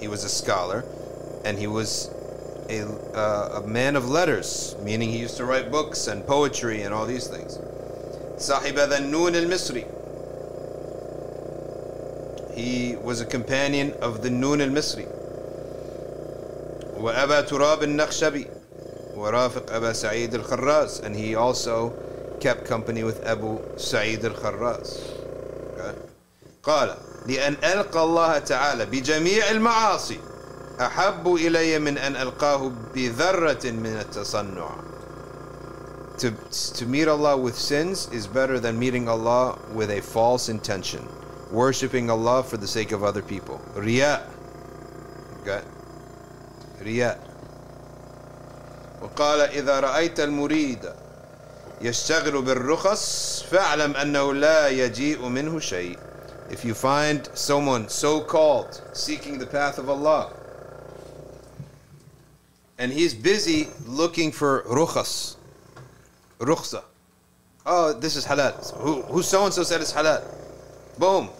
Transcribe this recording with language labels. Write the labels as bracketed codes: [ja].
[en] He was a scholar, and he was a man of letters, meaning he used to write books and poetry and all these things. [ar] صاحب ذا النون المصري. [en] He was a companion of the Noon al-Misri. [ar] وأبا تراب النخشبي ورافق أبا سعيد الخراز. [en] And he also kept company with Abu Sa'id al-Kharraz. [ar] قال لأن ألقى الله تعالى بجميع المعاصي أحب إلي من أن ألقاه بذرة من التصنع. [en] To meet Allah with sins is better than meeting Allah with a false intention. Worshipping Allah for the sake of other people. Riya. Okay. Riya. [ar] وقال إذا رأيت المريد يشتغل بالرخص فاعلم أنه لا يجيء منه شيء. [en] If you find someone so-called seeking the path of Allah and he's busy looking for rukhas, rukhsa. Oh, this is halal. Who so-and-so said is halal? Boom.